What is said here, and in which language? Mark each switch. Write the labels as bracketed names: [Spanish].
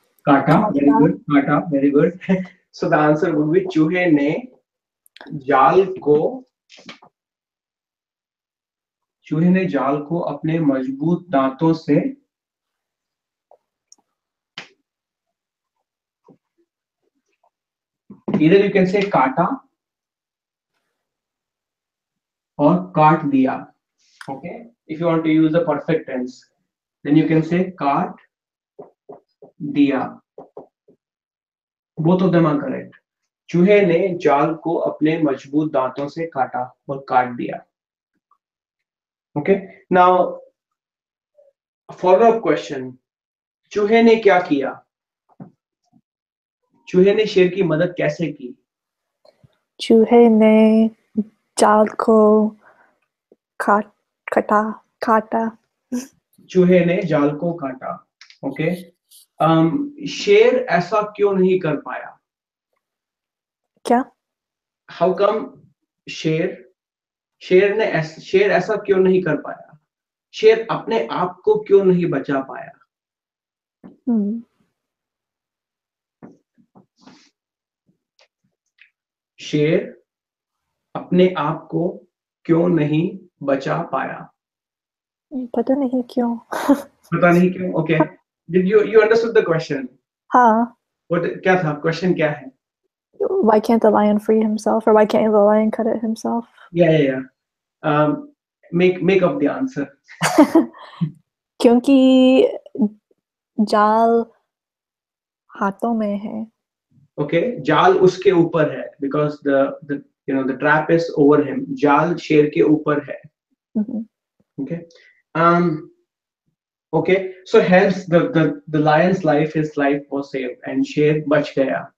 [Hindi] Kata, [English] very good. [Hindi] Kata, very good. [English] So the answer would be [Hindi] chuhe ne jal ko, chuhe ne jal ko apne mazboot daanton se [English] either you can say [Hindi] kaata or kaat diya. [English] Okay, if you want to use the perfect tense, then you can say [Hindi] kaat diya. [English] Both of them are correct. [Hindi] चूहे ने जाल को अपने मजबूत दांतों से काटा और काट दिया. [English] Okay, now follow up question. चूहे ने क्या किया? [Hindi] चूहे ने शेर की मदद कैसे की? चूहे ने जाल को काटा। चूहे ने जाल को काटा। ओके, शेर ऐसा क्यों नहीं कर पाया? क्या? [English] how come [Hindi] शेर ऐसा क्यों नहीं कर पाया? शेर अपने आप को क्यों नहीं बचा पाया? शेर अपने आप को क्यों नहीं बचा पाया? पता नहीं क्यों। पता नहीं क्यों? [English] Okay, did you understood the question? [Hindi] हाँ। What क्या था? Question क्या है? [English] Why can't the lion free himself, or why can't the lion cut it himself? Yeah. Make up the answer. [Hindi] क्योंकि जाल हाथों में है. [English] Okay, [Hindi] जाल उसके ऊपर है, [English] because the you know the trap is over him. [Hindi] जाल शेर के ऊपर है. Okay. [English] Okay, so hence the lion's life, his life was saved and [Hindi] Sher bach gaya.